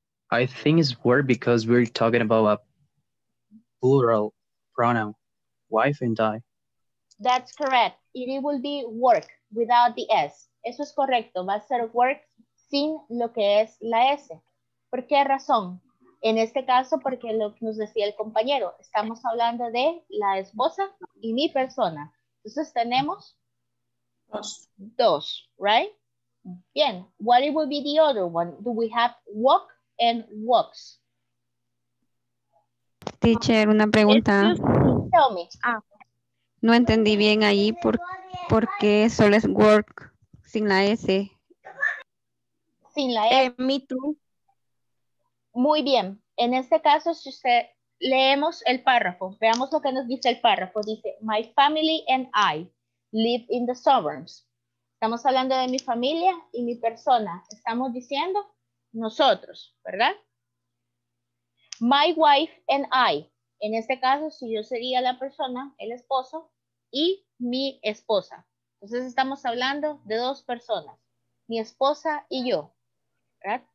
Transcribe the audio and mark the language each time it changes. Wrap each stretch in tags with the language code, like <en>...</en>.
<en>I think it's work because we're talking about a plural pronoun, wife and I. That's correct. It will be work without the S.</en> <es>Eso es correcto. Va a ser work sin lo que es la S. ¿Por qué razón? En este caso, porque lo que nos decía el compañero, estamos hablando de la esposa y mi persona. Entonces tenemos dos,</es> <en>right? Bien. What it will be the other one? Do we have walk and walks?</en> <es>Teacher, una pregunta.</es> <en>Tell me.</en> <es>No entendí bien ahí por qué solo es work sin la S. Sin la S.</es> <en>Me too.</en> <es>Muy bien. En este caso, si usted leemos el párrafo, veamos lo que nos dice el párrafo. Dice,</es> <en>my family and I live in the suburbs.</en> <es>Estamos hablando de mi familia y mi persona. Estamos diciendo nosotros, ¿verdad?</es> <en>My wife and I.</en> <es>En este caso, si yo sería la persona, el esposo, y mi esposa. Entonces estamos hablando de dos personas, mi esposa y yo, ¿verdad?</es>